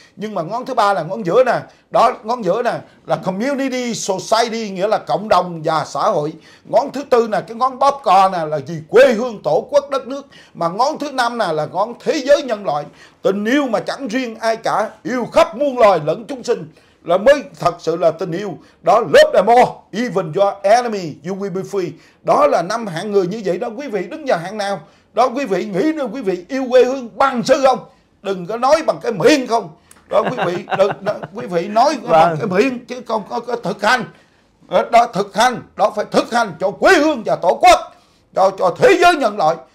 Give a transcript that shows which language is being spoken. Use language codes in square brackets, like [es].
[vi] Nhưng mà ngón thứ ba là ngón giữa nè, đó ngón giữa nè là [en] community society, [vi] nghĩa là cộng đồng và xã hội. Ngón thứ tư nè, cái ngón bóp cò nè, là vì quê hương Tổ quốc đất nước. Mà ngón thứ năm nè là ngón thế giới nhân loại, tình yêu mà chẳng riêng ai cả, yêu khắp muôn loài lẫn chúng sinh là mới thật sự là tình yêu. [en] Đó, love them all, even your enemy, you will be free. [vi] Đó là năm hạng người như vậy đó. Quý vị đứng vào hạng nào? Đó, quý vị nghĩ nữa, quý vị yêu quê hương bằng sư không? Đừng có nói bằng cái miệng không. Đó, quý vị đừng, đó, quý vị nói bằng cái miệng chứ không có thực hành. Đó, thực hành. Đó, phải thực hành cho quê hương và Tổ quốc, cho thế giới nhân loại.